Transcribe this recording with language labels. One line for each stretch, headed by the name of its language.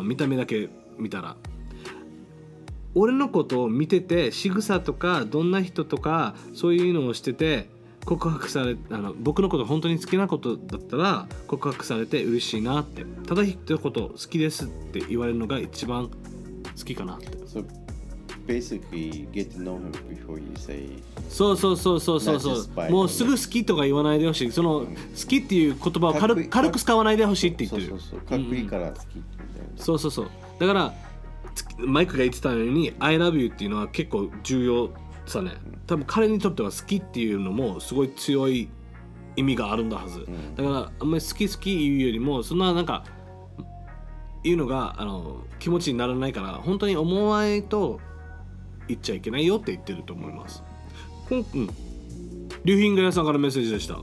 Japanese: 見た目だけ見たら。俺のことを見てて仕草とかどんな人とかそういうのをしてて告白され僕のこと本当に好きなことだったら告白されて嬉しいなってただ一言好きですって言われるのが一番好きかなって。
English: So basically get to know him before you say.
Japanese: そうそうそうそうそうそう。もうすぐ好きとか言わないでほしい。その好きっていう言葉を軽く使わないでほしいって言ってる。そうそうそう。かっこいいから好きみたいな。そうそうそう。だから。マイクが言ってたように
English: I love you
Japanese: っていうのは結構重要さね多分彼にとっては好きっていうのもすごい強い意味があるんだはずだからあんまり好き好き言うよりもそんななんか言うのが気持ちにならないから本当に思わないと言っちゃいけないよって言ってると思いますうん、リュウヒンガヤさんからメッセージでした